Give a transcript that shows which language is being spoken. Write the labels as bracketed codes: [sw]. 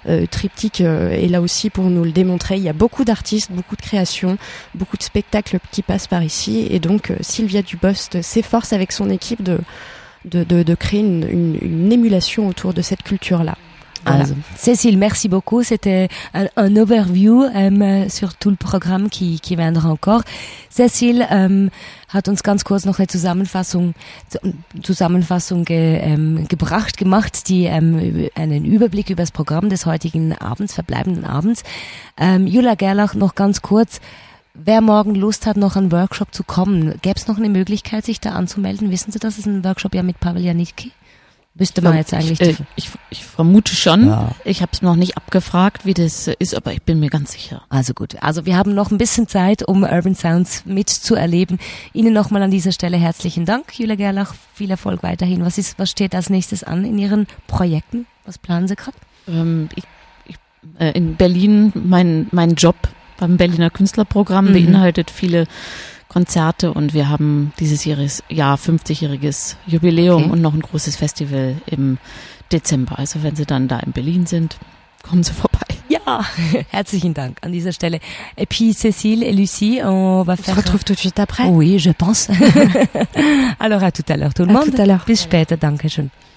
[fr] Triptyque est là aussi pour nous le démontrer. Il y a beaucoup d'artistes, beaucoup de créations, beaucoup de spectacles qui passent par ici. Et donc, Sylvia Dubost s'efforce avec son équipe de créer une émulation autour de cette culture-là. Voilà. Voilà. Cécile, merci beaucoup. C'était un overview sur tout le programme qui viendra encore. [de] Cécile hat uns ganz kurz noch eine Zusammenfassung gemacht, die einen Überblick über das Programm des heutigen Abends, verbleibenden Abends. Julia Gerlach, noch ganz kurz, wer morgen Lust hat, noch an Workshop zu kommen, gäbe es noch eine Möglichkeit, sich da anzumelden? Wissen Sie, das ist ein Workshop ja mit Pavel Janicki? Müsste man jetzt eigentlich. Ich vermute schon. Ja. Ich habe es noch nicht abgefragt, wie das ist, aber ich bin mir ganz sicher. Also gut. Also wir haben noch ein bisschen Zeit, um Urban Sounds mitzuerleben. Ihnen nochmal an dieser Stelle herzlichen Dank, Julia Gerlach. Viel Erfolg weiterhin. Was steht als nächstes an in Ihren Projekten? Was planen Sie gerade? In Berlin, mein Job beim Berliner Künstlerprogramm beinhaltet viele Konzerte und wir haben dieses Jahr 50-jähriges Jubiläum und noch ein großes Festival im Dezember. Also wenn Sie dann da in Berlin sind, kommen Sie vorbei. Ja, herzlichen Dank an dieser Stelle. [fr] Et puis Cécile et Lucie, on va faire... On se retrouve tout de suite après. Oui, je pense. Alors à tout à l'heure tout le monde. À tout à l'heure. [de] Bis später, danke schön.